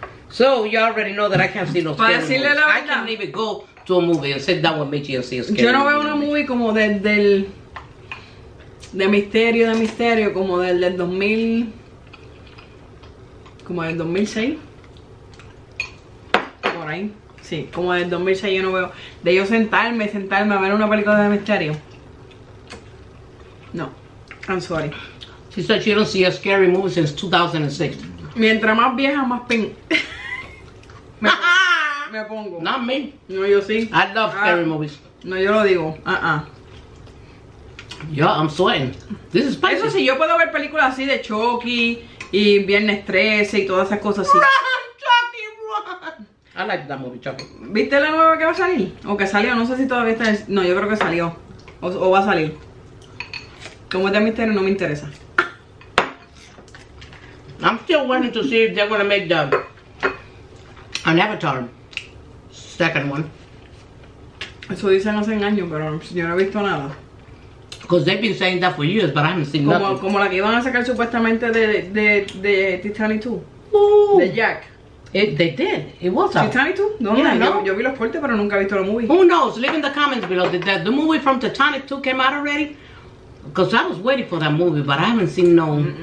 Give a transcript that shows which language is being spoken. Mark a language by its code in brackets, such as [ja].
[en] So you already know that I can't see no scary movies. I can't even go to a movie and sit down with Michi and see a scary movie. [es] Yo no veo una movie como del de misterio, como del 2000, como del 2006, por ahí, sí, como del 2006 yo no veo, de yo sentarme a ver una película de misterio, no, [en] I'm sorry. She said she don't see a scary movie since 2006. [es] Mientras más vieja, más pin. me pongo. [en] Not me. [es] No, yo sí. [en] I love scary movies. [es] No, yo lo digo, [en] Yo, I'm sweating. This is spicy. [es] Eso sí, yo puedo ver películas así de Chucky y Viernes 13 y todas esas cosas así. [en] Run, Chucky, run. I like that movie, Chucky. [es] ¿Viste la nueva que va a salir? O que salió, no sé si todavía está. No, yo creo que salió. O va a salir. Como es de misterio, no me interesa. [en] I'm still waiting to see if they're gonna make the an Avatar second one. [es] Eso dicen hace años, pero yo no he visto nada. [en] Because they've been saying that for years, but I haven't seen [es] como, [en] nothing. [es] Como la que iban a sacar supuestamente de Titanic 2. Ooh. De Jack. [en] They did. It was Titanic 2? No, yeah, no. [es] Yo vi los portes, pero nunca he visto la movie. [en] Who knows? Leave in the comments below. Did the movie from Titanic 2 came out already? Because I was waiting for that movie, but I haven't seen no.